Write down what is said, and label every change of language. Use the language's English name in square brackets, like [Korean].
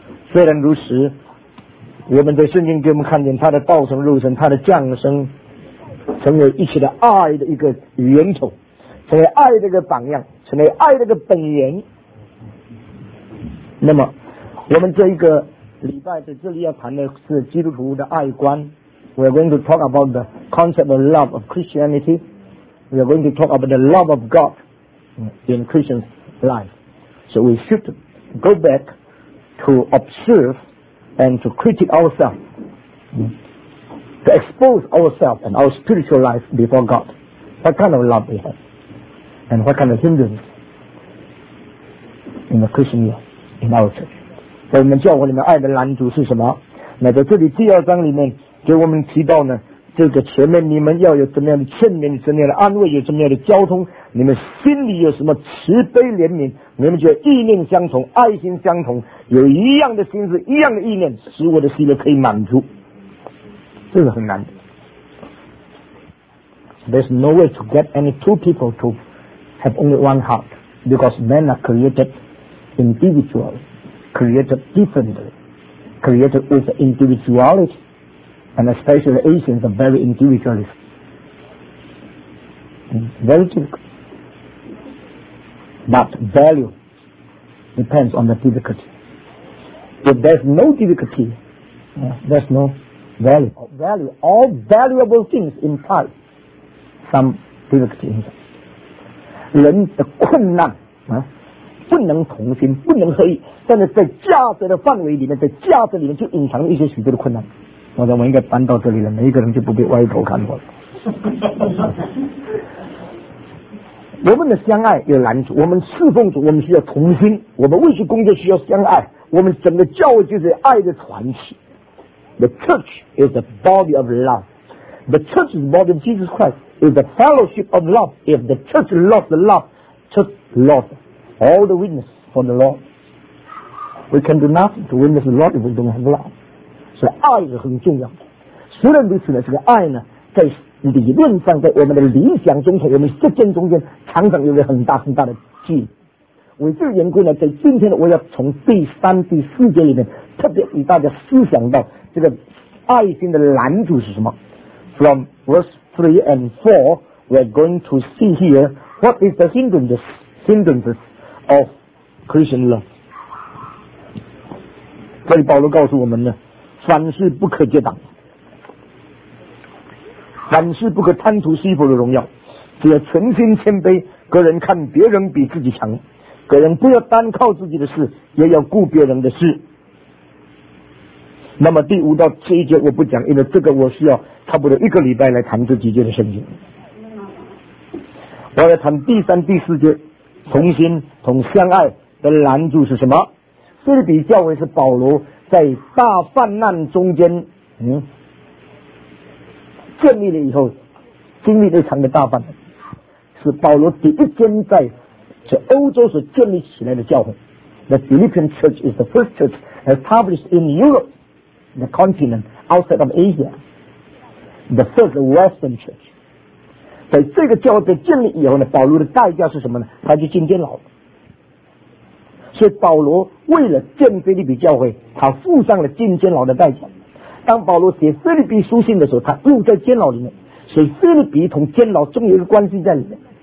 [Chinese] 虽然如此，我们在圣经给我们看见他的道成肉身，他的降生，成为一切的爱的一个源头，成为爱的一个榜样，成为爱的一个本源。那么我们这一个礼拜在这里要谈的是基督徒的爱观。 [English] We are going to talk about the concept of love of Christianity. We are going to talk about the love of God in Christian's life. So we should go back to observe and to critique ourselves, to expose ourselves and our spiritual life before God. What kind of love we have, and what kind of hindrance in the Christian life, in our church. [Chinese] 所以我们教会里面爱的拦阻是什么？那在这里第二章里面给我们提到呢，这个前面你们要有怎么样的劝勉，怎么样的安慰，有怎么样的交通，你们心里有什么慈悲怜悯，你们就意念相同，爱心相同，有一样的心思，一样的意念，使我的心里可以满足。这个很难的。 [English] There's no way to get any two people to have only one heart, because men are created individualcreated differently, created with individuality, and especially Asians are very individualist. Very difficult. But value depends on the difficulty. If there's no difficulty, there's no value. Value, all valuable things imply some difficulty in them. [Chinese] 人的困难不能同心，不能合一，但是在价值的范围里面，在价值里面就隐藏了一些许多的困难。我想我应该搬到这里了，每一个人就不必歪头看我了。我们的相爱有拦阻，我们侍奉主我们需要同心，我们为主工作需要相爱，我们整个教会就是爱的传奇。 [English] The church is the body of love. The church is the body of Jesus Christ. Is the fellowship of love. If the church loves the love, church lovesAll the witness for the Lord. We can do nothing to witness the Lord if we don't have love. [Chinese] 所以爱是很重要的。虽然如此呢，这个爱呢，在理论上，在我们的理想中，在我们实践中间，常常有个很大很大的距离。为这个缘故呢，在今天我要从第三、第四节里面，特别与大家思想到这个爱心的拦阻是什么。 [English] From verse 3 and 4, we're going to see here what is the hindrances. Of Christian love. [Chinese] 这里保罗告诉我们呢，凡事不可结党，凡事不可贪图西弗的荣耀，只要存心谦卑，个人看别人比自己强，个人不要单靠自己的事，也要顾别人的事。那么第五到七节我不讲，因为这个我需要差不多一个礼拜来谈这几节的圣经。我要谈第三、第四节同心同相爱的拦阻是什么？菲律比教会是保罗在大患难中间建立了以后经历了一场的大患难，是保罗第一间在这欧洲所建立起来的教会。 [English] The Philippian church is the first church established in Europe, the continent outside of Asia, the first Western church. [Chinese] 在这个教会被建立以后呢，保罗的代价是什么呢？他就进监牢了。所以保罗为了建菲律比教会，他付上了进监牢的代价。当保罗写菲律比书信的时候，他又在监牢里面，所以菲律比同监牢总有一个关系在里面。